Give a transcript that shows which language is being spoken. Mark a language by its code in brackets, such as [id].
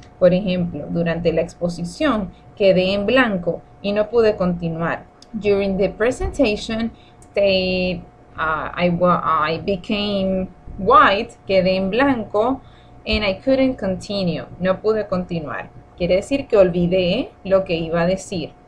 [es] Por ejemplo, durante la exposición, quedé en blanco y no pude continuar. [en] During the presentation, I became white, [es] quedé en blanco, [en] and I couldn't continue, [es] no pude continuar. Quiere decir que olvidé lo que iba a decir.